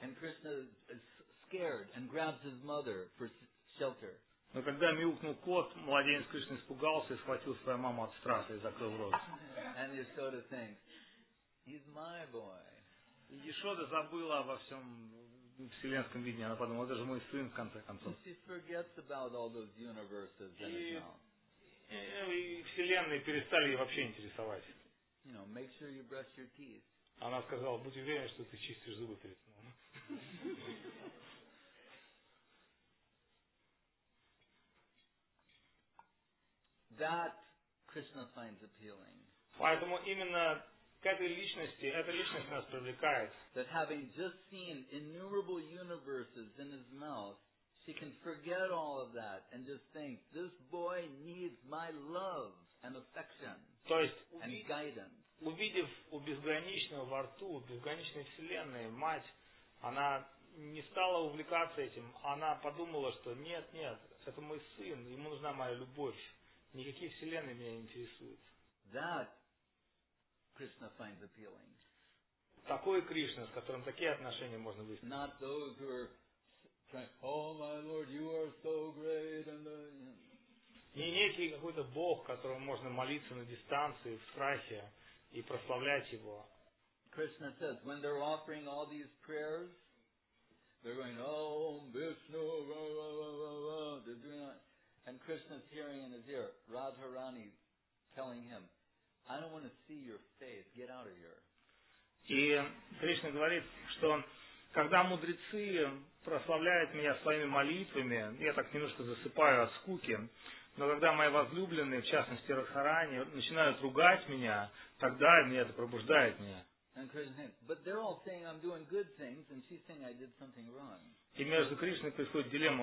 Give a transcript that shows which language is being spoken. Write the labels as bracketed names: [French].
[English] And Krishna is scared and grabs his mother for shelter. [Russian] Но когда мяукнул кот, младенец Кришны испугался и схватил свою маму от страха и закрыл рот. [English] And Yashoda thinks, he's my boy. [Russian] Yashoda забыла обо всем вселенском видении. Она подумала, это же мой сын, в конце концов. И вселенные перестали ее вообще интересовать. [English] You know, make sure you brush your teeth. [Russian] Она сказала, будь уверен, что ты чистишь зубы перед сном. [English] That Krishna finds appealing. [Russian] Поэтому именно к этой личности, эта личность нас привлекает. [English] That having just seen innumerable universes in his mouth, she can forget all of that and just think, this boy needs my love and affection and guidance. [Russian] Увидев у безграничного во рту, у безграничной вселенной, мать, она не стала увлекаться этим. Она подумала, что нет, нет, это мой сын, ему нужна моя любовь. Никакие вселенные меня не интересуют. [English] That Krishna finds appealing. [Russian] Такой Кришна, с которым такие отношения можно выяснить. [English] Not those who are trying, oh my lord, you are so great and the... [Russian] Не некий какой-то бог, которому можно молиться на дистанции, в страхе, и прославлять его. [English] Krishna says, when they're offering all these prayers, they're going, oh, Vishnu, blah, blah, blah, blah, blah. They're doing that. And Krishna's hearing in his ear, Radharani telling him, I don't want to see your face, get out of here. [Russian] И Кришна говорит, что когда мудрецы прославляют меня своими молитвами, я так немножко засыпаю от скуки, но когда мои возлюбленные, в частности Радхарани, начинают ругать меня, тогда меня это пробуждает меня. И между Кришной происходит дилемма.